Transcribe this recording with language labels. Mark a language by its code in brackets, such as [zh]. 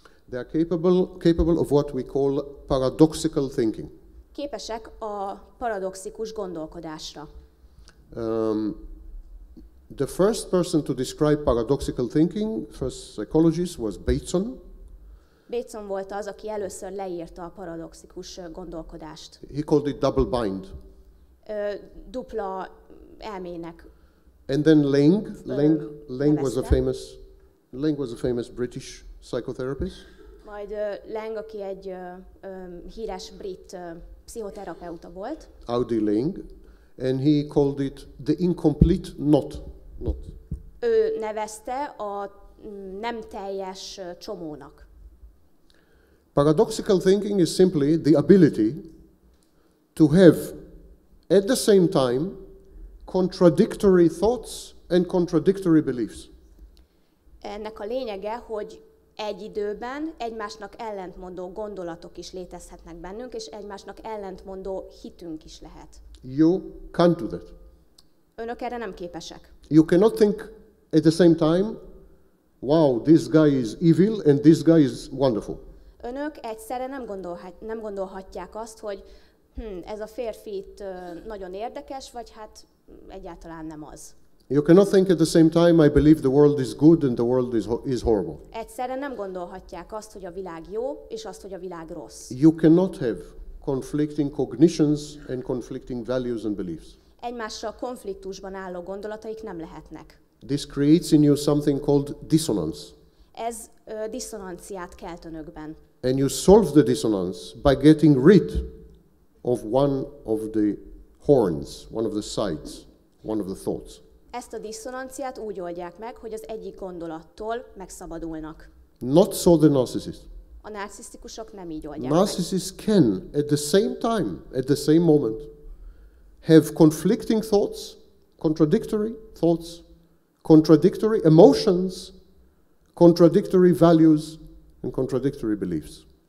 [en] They are capable of what we call paradoxical thinking. [hu] Képesek a paradoxikus gondolkodásra. [en] The first person to describe paradoxical thinking, first psychologist, was Bateson. [hu] Bateson volt az, aki először leírta a paradoxikus gondolkodást. [en] He called it double bind. [hu] Dupla elmének. [en] And then Lang was a famous British psychotherapist. [hu] Majd Lang, aki egy híres brit pszichoterapeuta volt. [en] Audi Lang, and he called it the incomplete knot. [hu] Ő nevezte a nem teljes csomónak. [en] Paradoxical thinking is simply the ability to have at the same time contradictory thoughts and contradictory beliefs. [hu] Ennek a lényege, hogy egy időben egymásnak ellentmondó gondolatok is létezhetnek bennünk, és egymásnak ellentmondó hitünk is lehet. [en] You can't do that. [hu] Önök erre nem képesek. [en] You cannot think at the same time, wow, this guy is evil and this guy is wonderful. [hu] Önök egyszerre nem gondolhatják azt, hogy ez a férfi itt nagyon érdekes, vagy hát egyáltalán nem az. [en] You cannot think at the same time I believe the world is good and the world is horrible. [hu] Egyszerre nem gondolhatják azt, hogy a világ jó, és azt, hogy a világ rossz. [en] You cannot have conflicting cognitions and conflicting values and beliefs. [hu] Egymással konfliktusban álló gondolataik nem lehetnek. [en] This creates in you something called dissonance. [hu] Ez diszonanciát kelt önökben. [en] And you solve the dissonance by getting rid of one of the horns, one of the sides, one of the thoughts. [hu] Ezt a diszonanciát úgy oldják meg, hogy az egyik gondolattól megszabadulnak. [en] Not so the narcissist. [hu] A narcisztikusok nem így oldják [en] narcissist Can at the same time, at the same moment, have conflicting thoughts, contradictory thoughts, contradictory emotions, contradictory values and contradictory beliefs.